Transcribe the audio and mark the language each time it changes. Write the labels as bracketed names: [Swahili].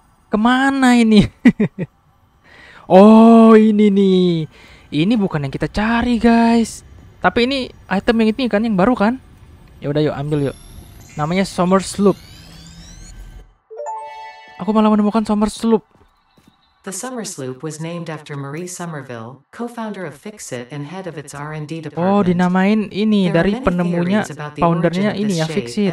[Indonesian] Kemana ini? Oh ini nih. Ini bukan yang kita cari guys. Tapi ini item yang ini kan yang baru kan? Ya udah yuk ambil yuk. Namanya Summer's Loop. Aku malah menemukan Summer's Loop. [English] The Summer's Loop was named after Marie Somerville, co-founder of Fixit and head of its R&D department. [Indonesian] Oh, dinamain ini dari penemunya, foundernya ini ya, Fixit.